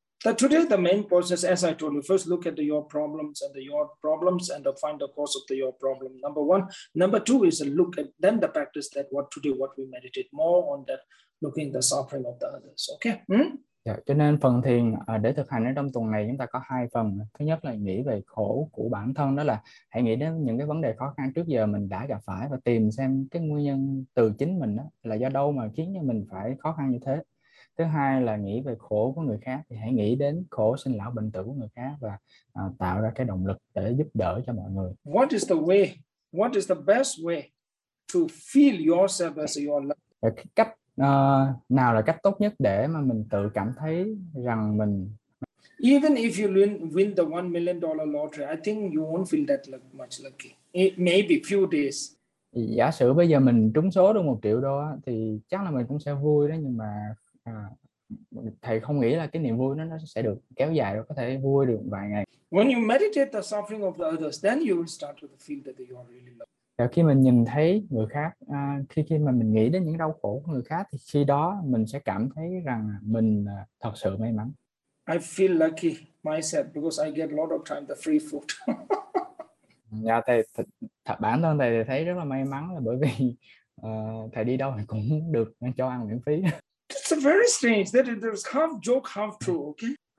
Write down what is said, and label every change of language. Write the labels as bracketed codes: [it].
[en] So today the main process, as I told you, first look at your problems and your problems and find the cause of your problem. Number one. Number two is look at then the practice that what today what we meditate more on that looking the suffering of the others. Okay. [vi] Dạ, cho nên phần thiền để thực hành ở trong tuần này chúng ta có hai phần. Thứ nhất là nghĩ về khổ của bản thân, đó là hãy nghĩ đến những cái vấn đề khó khăn trước giờ mình đã gặp phải và tìm xem cái nguyên nhân từ chính mình đó là do đâu mà khiến cho mình phải khó khăn như thế. Thứ hai là nghĩ về khổ của người khác thì hãy nghĩ đến khổ sinh lão bệnh tử của người khác và tạo ra cái động lực để giúp đỡ cho mọi người. [en] What is the way? What is the best way to feel yourself as your love? [vi] Cách nào là cách tốt nhất để mà mình tự cảm thấy rằng mình. [en] Even if you win the $1 million lottery, I think you won't feel that much lucky. Maybe few days. [vi] Giả sử bây giờ mình trúng số được 1 triệu đô thì chắc là mình cũng sẽ vui đó, nhưng mà thầy không nghĩ là cái niềm vui nó sẽ được kéo dài, nó có thể vui được vài ngày. [en] When you meditate the suffering of the others, then you will start to feel that you are really loved. [vi] Và khi mình nhìn thấy người khác, khi mà mình nghĩ đến những đau khổ của người khác thì khi đó mình sẽ cảm thấy rằng mình thật sự may mắn. [en] I feel lucky myself because I get a lot of time the free food. [vi] Dạ, bản thân thầy thấy rất là may mắn là bởi vì thầy đi đâu thì cũng được cho ăn miễn phí. [en] It's very strange that there's half joke, half true, okay?